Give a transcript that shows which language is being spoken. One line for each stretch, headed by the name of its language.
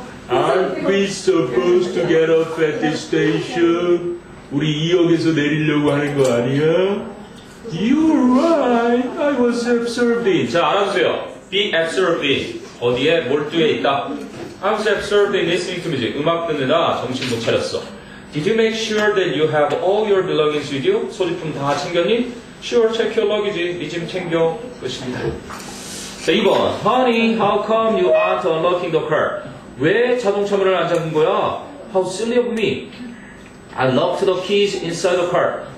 English: Are we supposed to get off at this station?
Korean: 우리 2역에서 내리려고 하는 거 아니야?
English: You're right. I was absorbing. 자,
Korean: 알아주세요.
English: Be absorbing.
Korean: 어디에 몰두해 있다.
English: I was absorbing listening to music.
Korean: 음악 듣느라 정신 못 차렸어.
English: Did you make sure that you have all your belongings with you?
Korean: 소지품 다 챙겼니?
English: Sure, check your luggage.
Korean: 네 짐 챙겨. 끝입니다. 자, 2번.
English: Honey, how come you aren't unlocking the car?
Korean: 왜 자동차 문을 안 잡은 거야?
English: How silly of me. I locked the keys inside the car.